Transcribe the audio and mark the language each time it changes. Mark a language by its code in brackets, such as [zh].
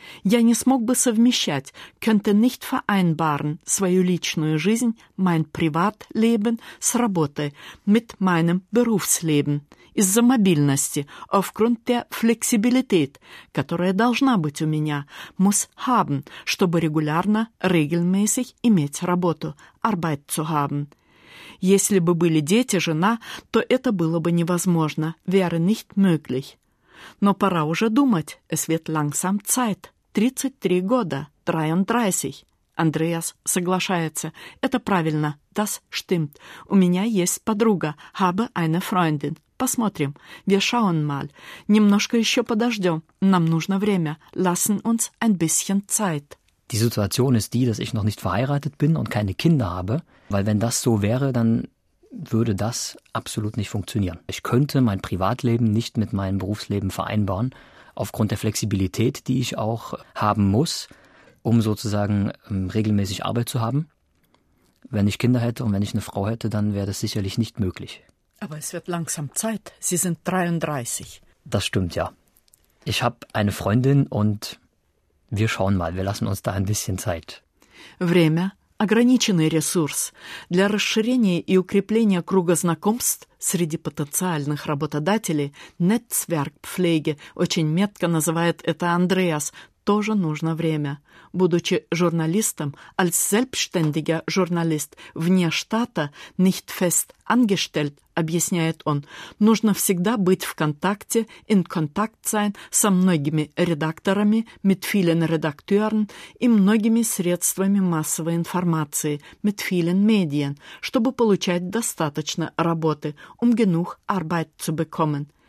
[ru] Я не смог бы совмещать, [de] könnte nicht vereinbaren, [ru] свою личную жизнь, [de] mein Privatleben, [ru] с работой, [de] mit meinem Berufsleben, [ru] из-за мобильности, [de] aufgrund der Flexibilität, [ru] которая должна быть у меня, [de] muss haben, [ru] чтобы регулярно, regelmäßig иметь работу, [de] Arbeit zu haben. [ru] Если бы были дети, жена, то это было бы невозможно, [de] wäre nicht möglich. [ru] Но пора уже думать, [de] es wird langsam Zeit. [ru] 33 года, 33. Андреас соглашается. Это правильно, [de] das stimmt. [ru] У меня есть подруга, [de] habe eine Freundin. [ru] Посмотрим, [de] wir schauen mal. [ru] Немножко еще подождем, нам нужно время. [de] Lassen uns ein bisschen Zeit. Die Situation ist die, dass ich noch nicht verheiratet bin und keine Kinder habe, weil wenn das so wäre, dann würde das absolut nicht funktionieren. Ich könnte mein Privatleben nicht mit meinem Berufsleben vereinbaren, aufgrund der Flexibilität, die ich auch haben muss, um sozusagen regelmäßig Arbeit zu haben. Wenn ich Kinder hätte und wenn ich eine Frau hätte, dann wäre das sicherlich nicht möglich. Aber es wird langsam Zeit. Sie sind 33. Das stimmt, ja. Ich habe eine Freundin und wir schauen mal. Wir lassen uns da ein bisschen Zeit. [ru] Время – ограниченный ресурс. Для расширения и укрепления круга знакомств – среди потенциальных работодателей «Netzwerkpflege» очень метко называет это Андреас. Тоже нужно время. Будучи журналистом, [de] als selbstständiger Journalist, [ru] вне штата, [de] nicht fest angestellt, [ru] объясняет он, нужно всегда быть в контакте, [de] in Kontakt sein, [ru] со многими редакторами, [de] mit vielen Redakteuren, [ru] и многими средствами массовой информации, [de] mit vielen Medien, [ru] чтобы получать достаточно работы, [de] genug Arbeit zu bekommen.